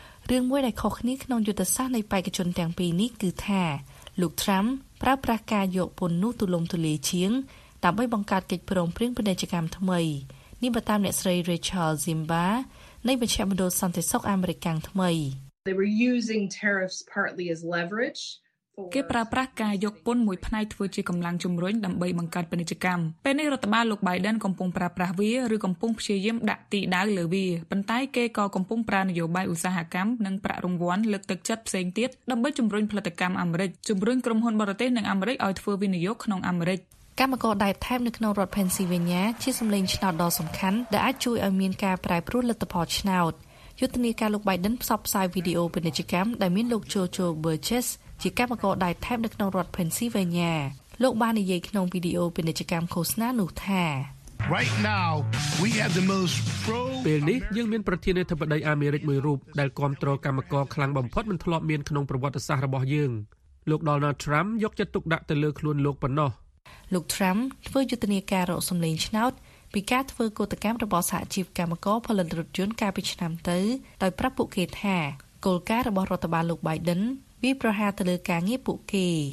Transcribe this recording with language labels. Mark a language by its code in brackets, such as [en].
[km] រឿងមួយដែលខុសគ្នាក្នុងយុទ្ធសាស្ត្រនៃបេក្ខជនទាំងពីរនេះគឺថាលោក Trump ប្រើប្រាស់ការយកពន្ធនោះទូលំទូលាយជាងដើម្បីបង្កើតកិច្ចព្រមព្រៀងពាណិជ្ជកម្មថ្មីនេះបើតាមអ្នកស្រី Rachel Zimba នៃវិជ្ជាមណ្ឌលសន្តិសុខអាមេរិកថ្មី [en] They were using tariffs partly as leverage [km] គេប្រើប្រាស់ការយកពន្ធមួយផ្នែកធ្វើជាកម្លាំងជំរុញដើម្បីបង្កើតពាណិជ្ជកម្មពេលនេះរដ្ឋបាលលោក Biden កំពុងប្រើប្រាស់វាឬកំពុងព្យាយាមដាក់ទីដៅលើវាប៉ុន្តែគេក៏កំពុងប្រើនយោបាយឧស្សាហកម្មនិងប្រាក់រង្វាន់លើកទឹកចិត្តផ្សេងទៀតដើម្បីជំរុញផលិតកម្មអាមេរិកជំរុញក្រុមហ៊ុនបរទេសនិងអាមេរិកឲ្យធ្វើវិនិយោគក្នុងអាមេរិក កម្មករដែលថែមនៅក្នុងរដ្ឋ Pennsylvania ជាសម្លេងឆ្នោតដ៏សំខាន់ដែលអាចជួយឲ្យមានការប្រែប្រួលលទ្ធផលឆ្នោតយុទ្ធនាការលោក Biden ផ្សព្វផ្សាយវីដេអូពាណិជ្ជកម្មដែលមានលោក Joe Burgess ជាកម្មករដែកថែបនៅក្នុងរដ្ឋ Pennsylvania លោកបាននិយាយក្នុងវីដេអូពាណិជ្ជកម្មឃោសនានោះថា [en] Right now we have the most pro [km] ពេលនេះយើងមានប្រធានាធិបតីអាមេរិកមួយរូបដែលគ្រប់គ្រងកម្មករខ្លាំងបំផុតមិនធ្លាប់មានក្នុងប្រវត្តិសាស្ត្ររបស់យើងលោក Donald Trump យកចិត្តទុកដាក់ទៅលើខ្លួនលោកប៉ុណ្ណោះ លោក Trump ធ្វើយុទ្ធនាការរកសម្លេងឆ្នោតពីការធ្វើកោតកម្មរបស់សហជីពកម្មករផលិតរថយន្តកាលពីឆ្នាំទៅដោយប្រាប់ពួកគេថាគោលការណ៍របស់រដ្ឋបាលលោក Biden វាប្រហារទៅលើការងារពួកគេ